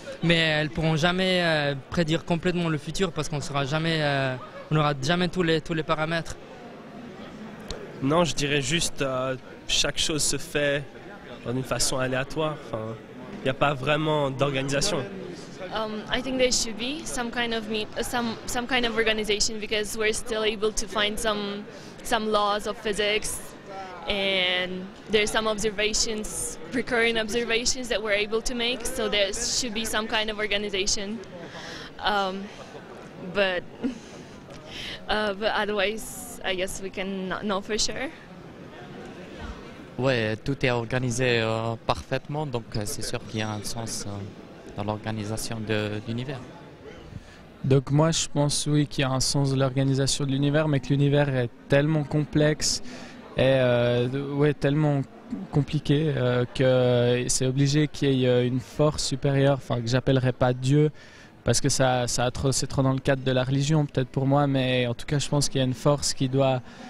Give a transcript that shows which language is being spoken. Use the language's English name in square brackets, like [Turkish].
[French] Mais elles ne pourront jamais prédire complètement le futur parce qu'on sera jamais, on n'aura jamais tous les paramètres. Non, je dirais juste que chaque chose se fait d'une façon aléatoire. Enfin, il n'y a pas vraiment d'organisation. [English] I think there should be some kind of organization because we're still able to find some laws of physics, and there's some observations, recurring observations that we're able to make. So there should be some kind of organization. But otherwise, I guess we can not know for sure. [French] Ouais, tout est organisé parfaitement, donc c'est sûr qu'il y a un sens dans l'organisation de l'univers. Donc moi, je pense, oui, qu'il y a un sens de l'organisation de l'univers, mais que l'univers est tellement complexe et tellement compliqué que c'est obligé qu'il y ait une force supérieure, enfin, que j'appellerais pas Dieu, parce que c'est trop dans le cadre de la religion, peut-être pour moi, mais en tout cas, je pense qu'il y a une force qui doit